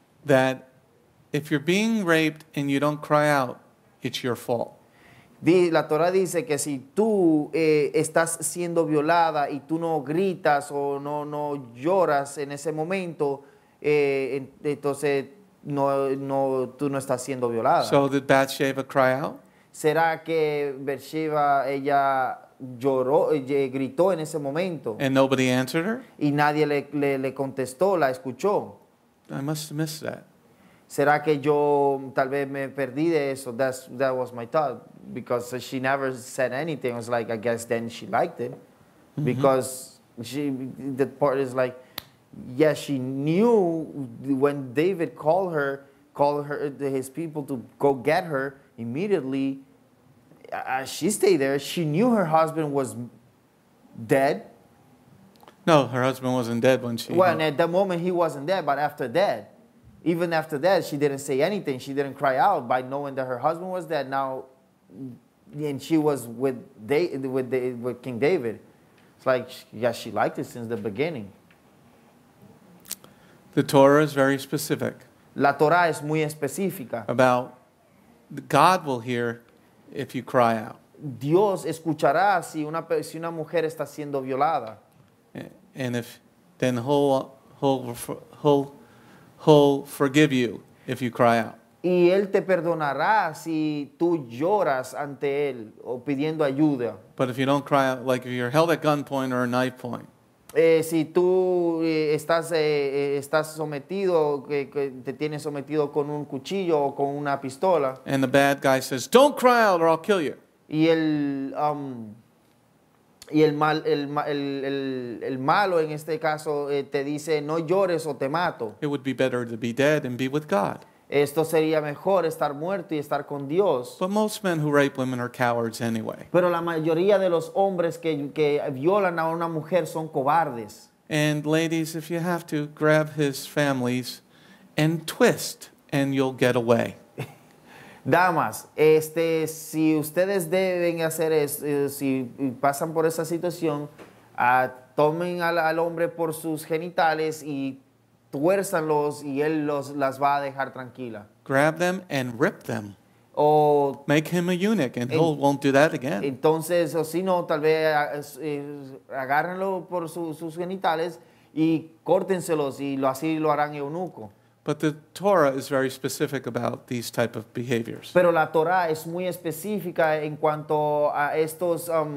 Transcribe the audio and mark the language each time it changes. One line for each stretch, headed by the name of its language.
English: that if you're being raped and you don't cry out, it's your fault.
Spanish: La Torah dice que si tú estás siendo violada y tú no gritas o no lloras en ese momento, entonces no tú no estás siendo violada.
English: So did Bathsheba cry out?
Spanish: ¿Será que Bathsheba ella lloró, gritó en ese momento?
English: And nobody answered her?
Spanish: Y nadie le contestó, la escuchó.
English: I must have missed that.
Spanish: ¿Será que yo tal vez me perdí de eso?
English: That was my thought. Because she never said anything. It's like, I guess then she liked it. Mm-hmm. Because the part is like, yes, yeah, she knew when David called her, his people to go get her immediately. She stayed there. She knew her husband was dead. No, her husband wasn't dead when she... Well, at that moment, he wasn't dead, but after that. Even after that, she didn't say anything. She didn't cry out by knowing that her husband was dead. Now, and she was with King David. It's like, yeah, she liked it since the beginning. The Torah is very specific.
Spanish: La Torah es muy específica.
English: About God will hear if you cry out.
Spanish: Dios escuchará si una mujer está siendo violada.
English: And if then he'll forgive you if you cry out.
Spanish: Y él te perdonará si tú lloras ante él o pidiendo ayuda.
English: But if you don't cry out, like if you're held at gunpoint or a knife point.
Spanish: Si tú estás sometido, te tienes sometido con un cuchillo o con una pistola.
English: And the bad guy says, "Don't cry out or I'll kill you."
Spanish: Y el malo en este caso te dice, "No llores o te mato."
English: It would be better to be dead and be with God.
Spanish: Esto sería mejor estar muerto y estar con Dios.
English: But most men who rape women are cowards anyway.
Spanish: Pero la mayoría de los hombres que violan a una mujer son cobardes.
English: And ladies, if you have to, grab his families and twist and you'll get away.
Spanish: Damas, si ustedes deben hacer eso, si pasan por esa situación, tomen al hombre por sus genitales y tuérzanlos y él las va a dejar tranquila.
English: Grab them and rip them.
Spanish: O,
English: make him a eunuch and he won't do that again.
Spanish: Entonces, o si no, tal vez agárrenlo por sus genitales y córtenselos y así lo harán eunuco.
English: But the Torah is very specific about these type of behaviors.
Spanish: Pero la Torah es muy específica en cuanto a estos